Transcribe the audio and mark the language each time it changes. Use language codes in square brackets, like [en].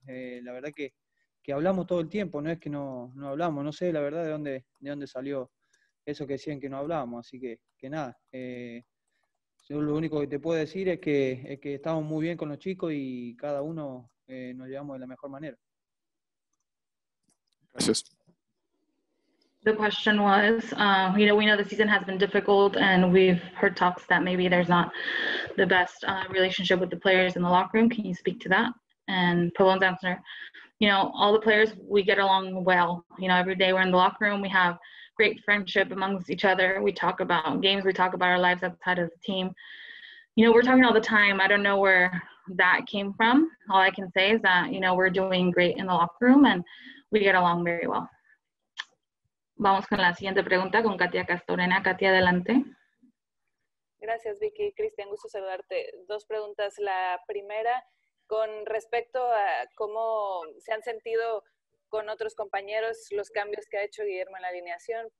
[es] La verdad que hablamos todo el tiempo. No es que no hablamos. No sé, la verdad, de dónde salió eso que decían que no hablábamos. Así que nada. Yo lo único que te puedo decir es que estamos muy bien con los chicos y cada uno nos llevamos de la mejor manera. Gracias. [en] The question was, you know, we know the season has been difficult and we've heard talks that maybe there's not the best relationship with the players in the locker room. Can you speak to that? And Pavón's answer, you know, all the players, we get along well. You know, every day we're in the locker room, we have great friendship amongst each other. We talk about games, we talk about our lives outside of the team. You know, we're talking all the time. I don't know where that came from. All I can say is that, you know, we're doing great in the locker room and we get along very well. [es] Vamos con la siguiente pregunta con Katia Castorena. Katia, adelante. Gracias, Vicky. Cristian, gusto saludarte. 2 preguntas. La primera, con respecto a cómo se han sentido con otros compañeros, los cambios que ha hecho Guillermo en la alineación.